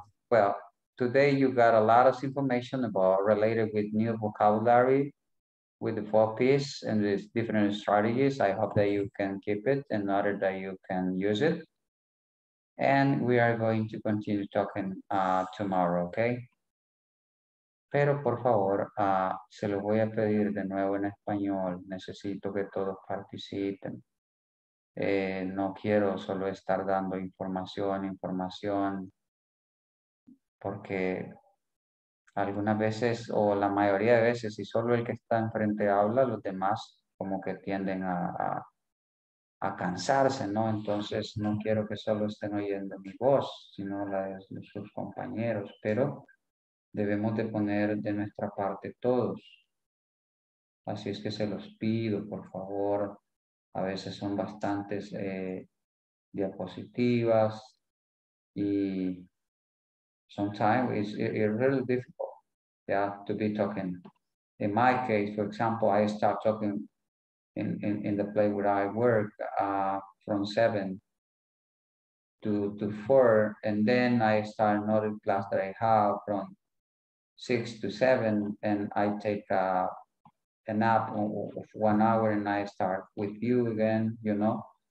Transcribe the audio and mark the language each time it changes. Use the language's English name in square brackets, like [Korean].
[English] Well, today you got a lot of information about related with new vocabulary, with the four P's and the different strategies. I hope that you can keep it and not that you can use it. And we are going to continue talking tomorrow, okay? [Spanish] Pero por favor, se lo voy a pedir de nuevo en español. Necesito que todos participen. No quiero solo estar dando información, porque algunas veces o la mayoría de veces, si solo el que está enfrente habla, los demás como que tienden a cansarse, ¿no? Entonces no quiero que solo estén oyendo mi voz, sino la de sus compañeros, pero debemos de poner de nuestra parte todos. Así es que se los pido, por favor. A veces son bastantes diapositivas y [English] sometimes it's really difficult, yeah, to be talking. In my case, for example, I start talking in the place where I work from 7 to 4, and then I start another class that I have from 6 to 7, and I take a nap of 1 hour and I start with you again, you know?